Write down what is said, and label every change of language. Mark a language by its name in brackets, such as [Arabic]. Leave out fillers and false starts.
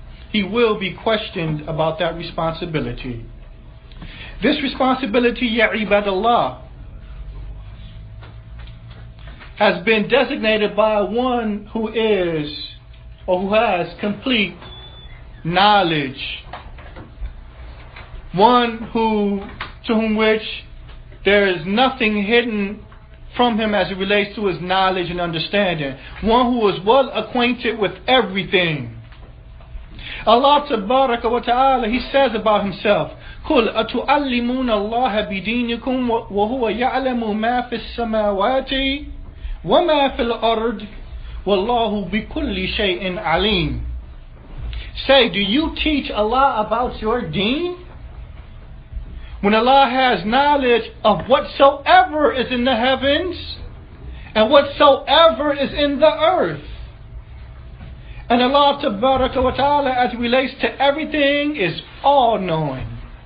[English] He will be questioned about that responsibility. This responsibility, ya ibadallah, has been designated by one who is or who has complete knowledge. One who to whom which there is nothing hidden from him as it relates to his knowledge and understanding. One who is well acquainted with everything. Allah tabaraka wa ta'ala, he says about himself, [Arabic] قُلْ أَتُعَلِّمُونَ اللَّهَ بِدِينِكُمْ وَهُوَ يَعْلَمُ مَا فِي السَّمَاوَاتِ وَمَا فِي الْأَرْضِ وَاللَّهُ بِكُلِّ شَيْءٍ عَلِيمٍ. [English] Say, do you teach Allah about your deen? When Allah has knowledge of whatsoever is in the heavens and whatsoever is in the earth. And Allah tabaraka wa ta'ala, as relates to everything, is all-knowing.